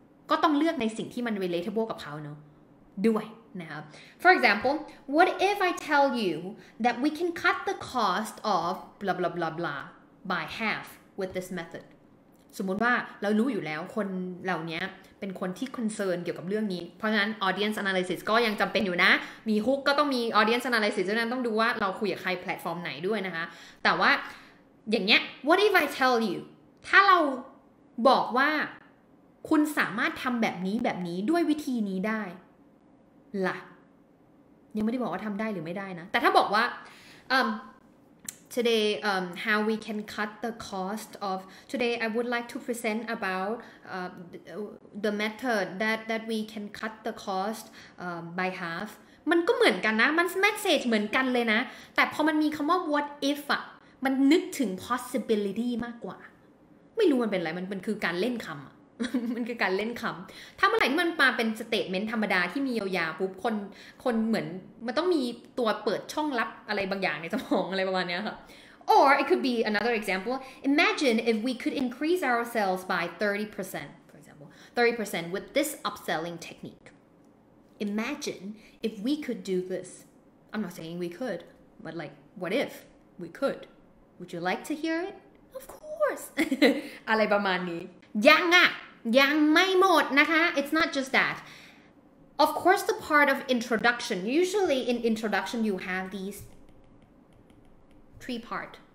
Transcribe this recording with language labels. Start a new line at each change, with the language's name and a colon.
Thai: ก็ต้องเลือกในสิ่งที่มัน relatable กับเขาเนาะด้วยนะครับ
English: for example what if I tell you that we can cut the cost of blah blah blah blah by half with this method
Thai: สมมติว่าเรารู้อยู่แล้วคนเหล่านี้เป็นคนที่คอนเซิร์นเกี่ยวกับเรื่องนี้เพราะฉะนั้น audience analysis ก็ยังจำเป็นอยู่นะมีฮุกก็ต้องมี audience analysis ฉะนั้นต้องดูว่าเราคุยกับใครแพลตฟอร์มไหนด้วยนะคะแต่ว่าอย่างเงี้ย
English: what if I tell you
Thai: ถ้าเรา บอกว่าคุณสามารถทำแบบนี้ด้วยวิธีนี้ได้ล่ะยังไม่ได้บอกว่าทำได้หรือไม่ได้นะแต่ถ้าบอกว่า
English: Today, how we can cut the cost of... Today, I would like to present about the method that we can cut the cost by half.
Thai: มันก็เหมือนกันนะมัน message เหมือนกันเลยนะแต่พอมันมีคำว่า what if อ่ะมันนึกถึง possibility มากกว่าไม่รู้มันเป็นอะไรมันคือการเล่นคำ มันคือการเล่นคำถ้าเมื่อไหร่มันมาเป็น statement ธรรมดาที่มียาวๆปุ๊บคนเหมือนมันต้องมีตัวเปิดช่องลับอะไรบางอย่างในสมองอะไรประมาณนี้ค่ะ
English: or it could be another example imagine if we could increase our sales by 30% for example 30% with this upselling technique imagine if we could do this. I'm not saying we could, but like, what if we could? Would you like to hear it? Of course.
Thai: อะไรประมาณนี้ยังอะยังไม่หมดนะคะ
English: It's not just that. Of course, the part of introduction. Usually in introduction, you have these three part.